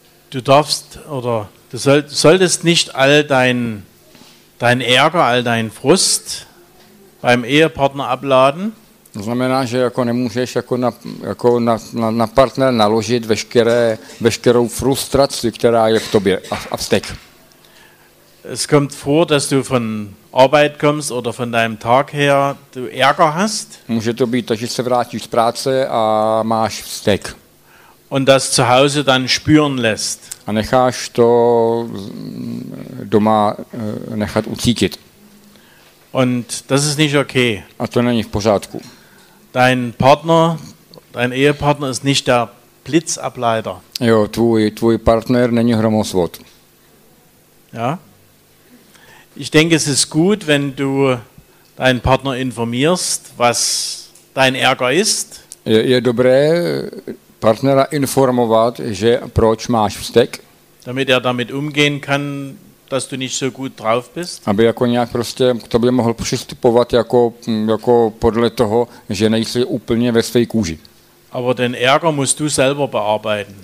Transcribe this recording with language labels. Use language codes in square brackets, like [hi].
[de] Du darfst oder du solltest nicht all dein Ärger, all dein Frust beim Ehepartner abladen. [cs] To znamená, že jako nemůžeš jako na partner naložit veškerou frustraci, která je v tobě a v steku. [de] Es kommt vor, dass du von Arbeit kommst oder von deinem Tag her, du Ärger hast. [cs] Může to být, že se vrátíš z práce a máš vztek. [de] Und das zu Hause dann spüren lässt. [cs] A necháš to doma nechat ucítit. [de] Und das ist nicht okay. [cs] A to není v pořádku. [de] Dein Partner, dein Ehepartner ist nicht der Blitzableiter. [cs] Jo, tvůj partner není hromosvod. [de] Ja? Ich denke, es ist gut, wenn du deinen Partner informierst, was dein Ärger ist. [cs] Je dobré partnera informovat, že proč máš vztek. [de] Damit er damit umgehen kann, dass du nicht so gut drauf bist. [cs] Aby jako nějak prostě k tobě mohl přistupovat jako podle toho, že nejsi úplně ve své kůži. [de] Aber den Ärger musst du selber bearbeiten.